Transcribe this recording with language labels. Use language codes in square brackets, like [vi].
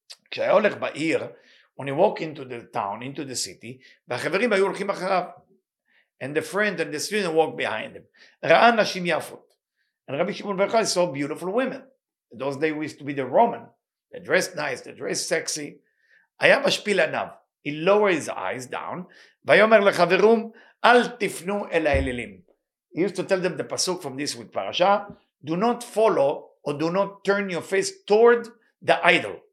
[he] כשהיה הולך בעיר, [en] when he walked into the town, into the city, [he] והחברים היו הולכים אחריו. [en] And the friend and the student walked behind him. [he] ראה נשים יפות. [en] And רבי שמעון בר יוחאי saw beautiful women. In those days we used to be the Roman. They dressed nice, they dressed sexy. [he] היה משפיל עניו. [en] He lowered his eyes down. [he] ויאמר לחברום, אל תפנו אל האלילים. [en] He used to tell them the pasuk from this week parasha, do not follow or do not turn your face toward the idol.